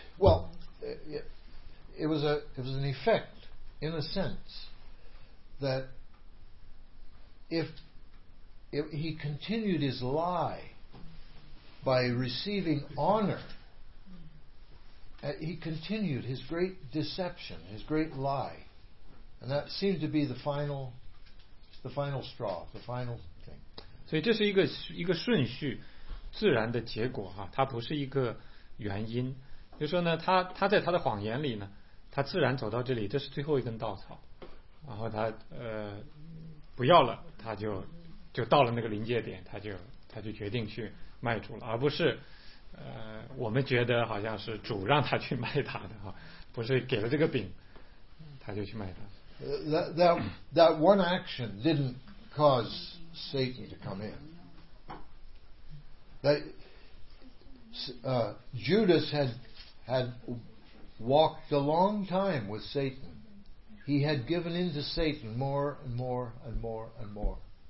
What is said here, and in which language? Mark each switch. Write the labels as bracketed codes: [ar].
[en] Well, it was an effect, in a sense, that if he continued his lie by receiving honor, he continued his great deception, his great lie, and that seemed to be the final straw, the final thing. [zh] 所以这是一个顺序，自然的结果哈，它不是一个原因。就说呢，他在他的谎言里呢，他自然走到这里，这是最后一根稻草，然后他不要了，他就到了那个临界点，他就决定去卖主了，而不是我们觉得好像是主让他去卖他的哈，不是给了这个饼，他就去卖他。 [en] That one action didn't cause Satan to come in. That Judas had walked a long time with Satan. He had given in to Satan more and more and more and more.